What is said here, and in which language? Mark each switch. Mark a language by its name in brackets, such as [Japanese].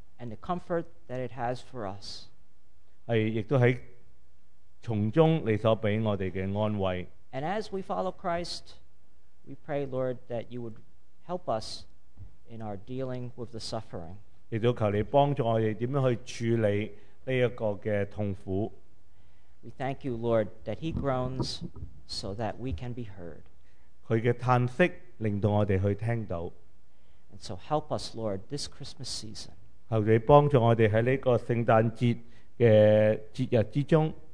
[English] And the comfort that it has for us. [Chinese] 亦都在从中你所给我们的安慰。 [English] And as we follow Christ, we pray, Lord, that you would help us in our dealing with the suffering. [Chinese] 亦都求你帮助我们怎么去处理这个痛苦。 [English] We thank you, Lord, that he groans so that we can be heard. [Chinese] 他的叹息令到我们去听到。 [English] And so help us, Lord, this Christmas season. [Chinese] 求你帮助我们在这个圣诞节的节日之中。